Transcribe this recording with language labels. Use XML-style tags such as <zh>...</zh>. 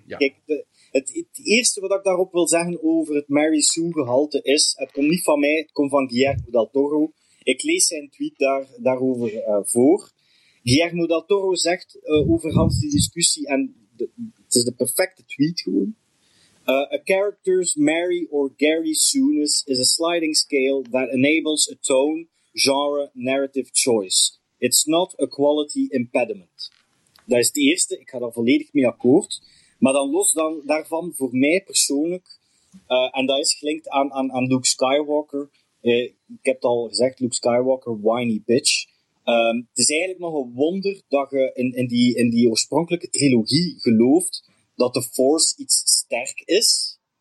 <nl>Kijk, het eerste wat ik daarop wil zeggen over het Mary Sue-gehalte is, het komt niet van mij, het komt van Guillermo del Toro. Ik lees zijn tweet daarover voor. Guillermo del Toro zegt over Hans die discussie, en het is de perfecte tweet gewoon.</nl> <en>A character's Mary or Gary Sueness is a sliding scale that enables a tone, genre, narrative choice. It's not a quality impediment.</en> <nl>Dat is het eerste, ik ga daar volledig mee akkoord. Maar dan los daarvan, voor mij persoonlijk, en dat is gelinkt aan Luke Skywalker. Ik heb het al gezegd, Luke Skywalker,</nl> <en>whiny bitch.</en> <nl>Het is eigenlijk nog een wonder dat je in die oorspronkelijke trilogie gelooft dat de Force iets sterk is.</nl>